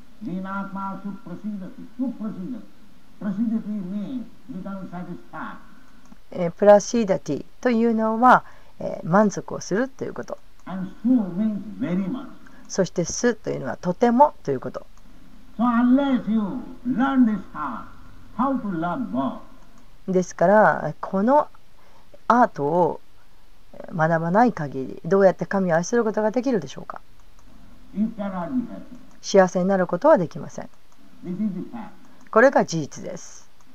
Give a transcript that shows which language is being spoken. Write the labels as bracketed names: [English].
[Japanese] プラシーダティというのは、満足をするということ。 [English] And so means very much. [Japanese] そしてすというのはとてもということ。 [English] So unless you learn this heart, how to love God. [Japanese] ですからこのアートを学ばない限り、どうやって神を愛することができるでしょうか。 [English] You cannot be happy. [Japanese] 幸せになることはできません。これが事実です。